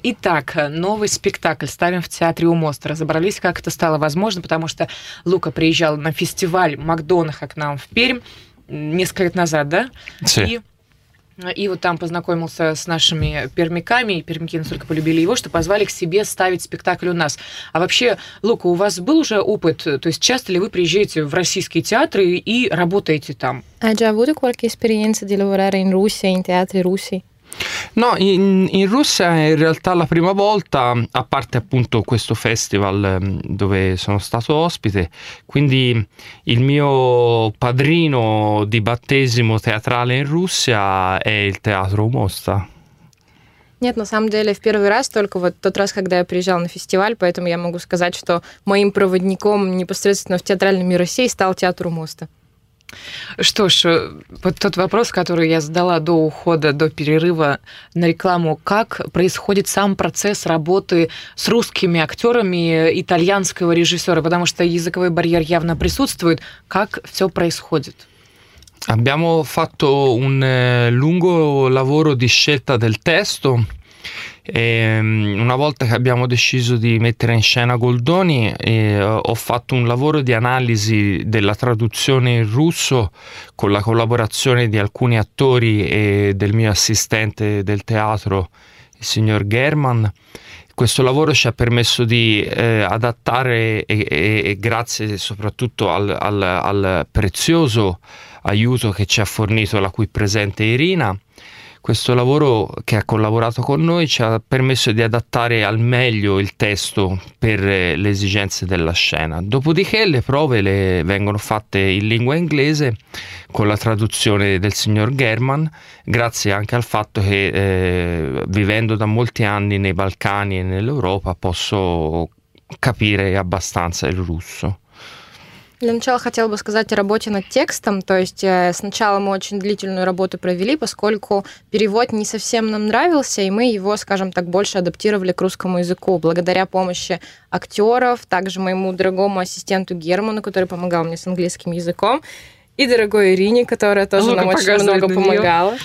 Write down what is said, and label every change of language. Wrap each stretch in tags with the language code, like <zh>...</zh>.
<ru>Итак, новый спектакль ставим в Театре у Моста. Разобрались, как это стало возможно, потому что Лука приезжал на фестиваль Макдонаха к нам в Пермь несколько лет назад, да?</ru> <it>Sí.</it> <ru>И вот там познакомился с нашими пермяками, и пермяки настолько полюбили его, что позвали к себе ставить спектакль у нас. А вообще, Лука, у вас был уже опыт? То есть часто ли вы приезжаете в российские театры и работаете там?</ru> <it>Hai già avuto qualche esperienza di lavorare in Russia, in teatri russi? No, in Russia è in realtà la prima volta, a parte appunto questo festival dove sono stato ospite, quindi il mio padrino di battesimo teatrale in Russia è il Teatro Мусса.</it> <ru>Нет, на самом деле, в первый раз только вот тот раз, когда я приезжал на фестиваль, поэтому я могу сказать, что моим проводником непосредственно в театральный мир России стал Театр Мусса. Что ж, вот тот вопрос, который я задала до ухода, до перерыва на рекламу, как происходит сам процесс работы с русскими актерами итальянского режиссера, потому что языковой барьер явно присутствует, как все происходит?</ru> <it>Abbiamo fatto un lungo lavoro di scelta del testo. E una volta che abbiamo deciso di mettere in scena Goldoni, ho fatto un lavoro di analisi della traduzione in russo con la collaborazione di alcuni attori e del mio assistente del teatro, il signor German. Questo lavoro ci ha permesso di adattare e grazie soprattutto al prezioso aiuto che ci ha fornito la qui presente Irina. Questo lavoro che ha collaborato con noi ci ha permesso di adattare al meglio il testo per le esigenze della scena. Dopodiché le prove le vengono fatte in lingua inglese con la traduzione del signor German, grazie anche al fatto che vivendo da molti anni nei Balcani e nell'Europa posso capire abbastanza il russo.</it> <ru>Для начала хотела бы сказать о работе над текстом. То есть сначала мы очень длительную работу провели, поскольку перевод не совсем нам нравился, и мы его, скажем так, больше адаптировали к русскому языку. Благодаря помощи актеров, также моему дорогому ассистенту Герману, который помогал мне с английским языком, и дорогой Ирине, которая тоже нам очень много помогала.</ru>